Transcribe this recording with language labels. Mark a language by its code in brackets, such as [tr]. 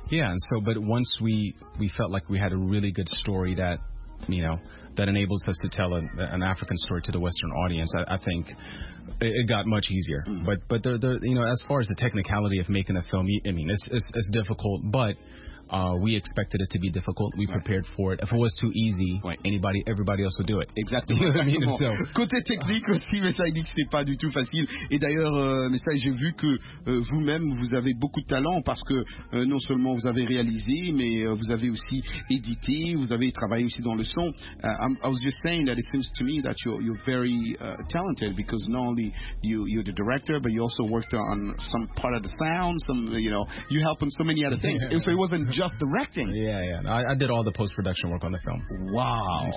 [en] Yeah, and so, but once we felt like we had a really good story that, you know, that enables us to tell an African story to the Western audience, I think it got much easier. Mm-hmm. But the you know, as far as the technicality of making a film, I mean, it's difficult, but we expected it to be difficult. We prepared for it. If it was too easy, everybody else would do it. Exactly. You know what I mean? [fr] Côté technique aussi, mais ça, il dit que c'était pas du tout facile. Et d'ailleurs, j'ai vu que vous-même, vous avez beaucoup de talent parce que non seulement vous avez réalisé, mais vous avez aussi édité, vous avez travaillé aussi dans le son. [en] I was just saying that it seems to me that you're very talented because not only you're the director, but you also worked on some part of the sound. Some, you know, you helped on so many other things. So it wasn't just directing. I did all the post-production work on the film. Wow.